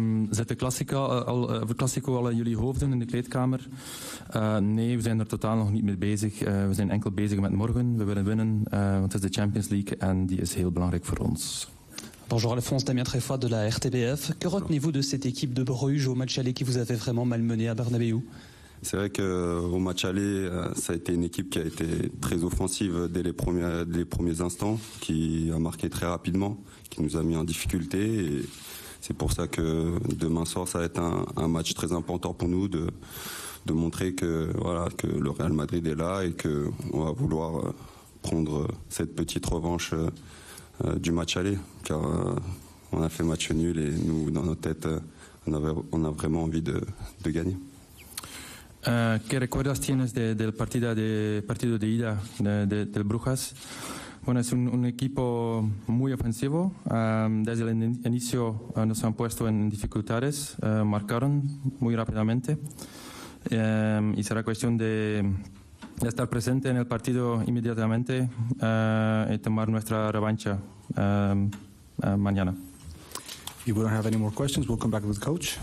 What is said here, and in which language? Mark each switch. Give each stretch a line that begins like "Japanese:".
Dutch: Zit de Clásico al in jullie hoofden in de kleedkamer? Nee, we zijn er totaal nog niet mee bezig. We zijn enkel bezig met morgen. We willen winnen, want het is de Champions League en die is heel belangrijk voor ons.
French: Bonjour Alphonse, Damien Tréfois de la RTBF. Que retenez-vous de cette équipe de Bruges au match aller qui vous avait vraiment malmené à Bernabeu? C'est vrai qu'au match aller, ça a été une équipe qui a été très offensive dès les premiers instants, qui a marqué très rapidement, qui nous a mis en difficulté. Et c'est pour ça que demain soir, ça va être un match très important pour nous de montrer que, voilà, que le Real Madrid est là et qu'on va vouloir prendre cette petite revanche du match aller. Car on a fait match nul et nous, dans notre tête, on a vraiment envie de gagner.
Spanish: ¿Qué recuerdas tienes del partido de ida del Brujas? Bueno, es un equipo muy ofensivo. Desde el inicio nos han puesto en dificultades, marcaron muy rápidamente. Y será cuestión de estar presente en el partido inmediatamente y tomar nuestra revancha mañana.
English: Y we don't have any more questions. We'll come back with the coach.